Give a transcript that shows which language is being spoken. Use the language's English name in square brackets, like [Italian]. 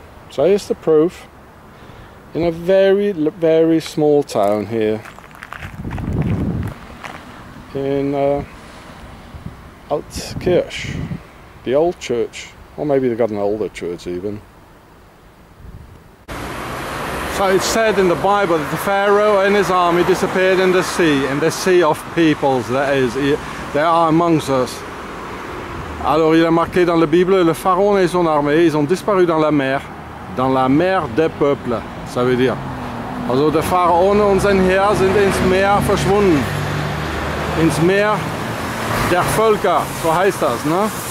[English] So here's the proof. In a very, very small town here, in Altkirch, the old church, or maybe they've got an older church even. So it's said in the Bible that the Pharaoh and his army disappeared in the sea of peoples, that is, they are amongst us. [French] Alors il est marqué dans la Bible, le Pharaon et son armée, ils ont disparu dans la mer des peuples, ça veut dire. [German] Also der Pharaon und sein Heer sind ins Meer verschwunden, ins Meer der Völker, so heißt das, ne?